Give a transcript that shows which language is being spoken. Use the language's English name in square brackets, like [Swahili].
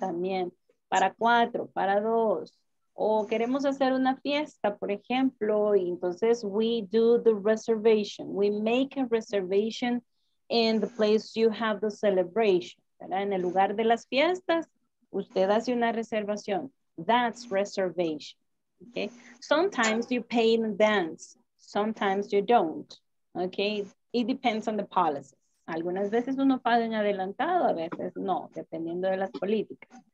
[Spanish] También para cuatro, para dos, o queremos hacer una fiesta, por ejemplo, y entonces [English] we do the reservation. We make a reservation in the place you have the celebration, ¿verdad? [Spanish] En el lugar de las fiestas, usted hace una reservación. [English] That's reservation, okay? Sometimes you pay in advance, sometimes you don't, okay? It depends on the policies. [Spanish] Algunas veces uno paga en adelantado, a veces no, dependiendo de las políticas.